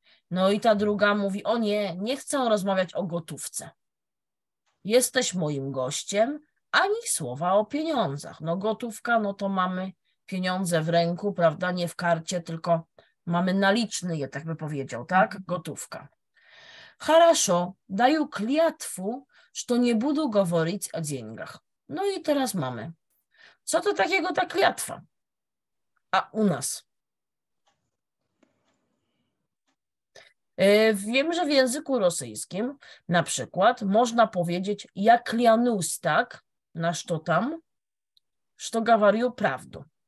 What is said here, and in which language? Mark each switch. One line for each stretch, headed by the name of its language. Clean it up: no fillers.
Polish: No i ta druga mówi, o nie, nie chcę rozmawiać o gotówce. Jesteś moim gościem, ani słowa o pieniądzach. No gotówka, no to mamy pieniądze w ręku, prawda, nie w karcie, tylko mamy naliczny je, tak by powiedział, tak? Gotówka.
Russian: Хорошо, даю клятву, что не буду говорить о деньгах.
Polish: No i teraz mamy. Co to takiego ta klятва? A u nas? Wiem, że w języku rosyjskim na przykład można powiedzieć
Russian: ja klянусь,
Polish: tak? Na
Russian: что там? Что говорю правду.